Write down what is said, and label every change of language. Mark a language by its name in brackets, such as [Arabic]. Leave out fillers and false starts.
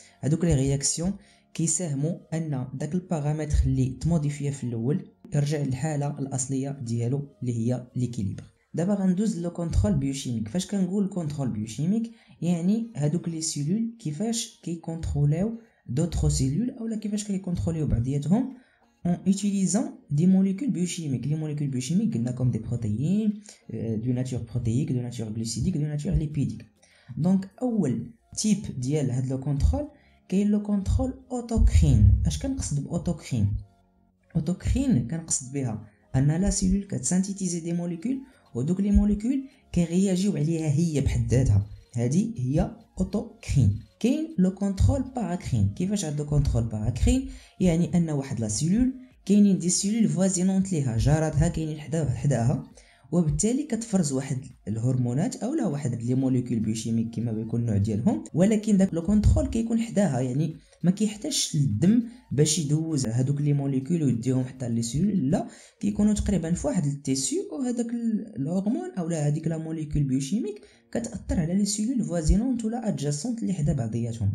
[Arabic] هذوك لي رياكسيون كيساهموا ان داك البارامتر اللي تموديفيا في الاول يرجع للحاله الاصليه ديالو اللي هي ليكيليبر. دابا غندوز لو كونترول بيوشيميك. فاش كنقول كونترول بيوشيميك يعني هذوك لي سيلول كيفاش كيكونترولاو دوتغ سيلول اولا كيفاش كيكونترولاو بعضياتهم [French] en utilisant des molécules biochimiques. Les molécules biochimiques, il y en a comme des protéines de nature protéique, de nature glucidique, de nature lipidique. Donc, le type de le contrôle, c'est le contrôle autocrine. Est-ce qu'on parle d'autocrine? Autocrine, qu'on parle de ça? On a la cellule qui synthétise des molécules, et donc les molécules qui réagissent à elle-même. C'est autocrine. [Arabic] كاين لو كونترول باراكرين. كيفاش هاد لو كونترول باراكرين؟ يعني ان واحد لا سيلول كاينين دي سيلول فوازينونت ليها جاراتها كاينين حداها وبالتالي كتفرز واحد الهرمونات او لا واحد لي موليكول بيوشيميك كما بيكون النوع ديالهم، ولكن داك لو كونترول كيكون حداها، يعني ما كيحتاجش الدم باش يدوز هذوك لي موليكول ويديهم حتى لي سيلول، لا كيكونوا تقريبا في واحد التيسيو، وهذاك الهرمون او لا هذيك لا موليكول بيوشيميك كتاثر على لي سيلول فوازينونت ولا ادجاسونت اللي حدا بعضياتهم.